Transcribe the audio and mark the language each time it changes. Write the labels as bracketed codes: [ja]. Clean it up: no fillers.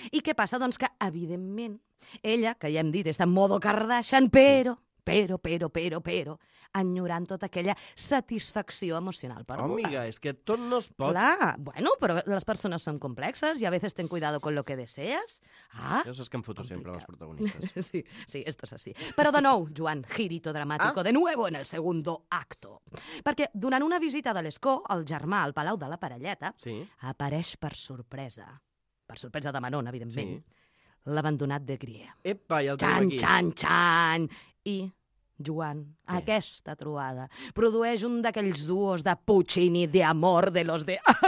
[ca] I què passa? Doncs que, evidentment, ella, que ja hem dit, està en modo Kardashian, però, sí, però, enyorant tota aquella satisfacció emocional perduda. Amiga, és que tot no es pot... Clar, bueno, però les persones són complexes i a vegades [es] ten cuidado con lo que desees. [ca] Ah, jo saps que em foto complica. Sempre els protagonistes. Sí, sí, [es] esto es así. [ca] Però de nou, Joan, [es] girito dramático, [ca] ah? [es] De nuevo en el segundo acto. [ca] Perquè durant una visita de l'Escó, el germà al Palau de la Parelleta sí. apareix per sorpresa. Per sorpresa de Manon, evidentment. Sí. L'abandonat de Grier. Epa, i el teu aquí. Txan, txan, i Joan, què? Aquesta trobada, produeix un d'aquells duos de Puccini, [es] de amor, de los de...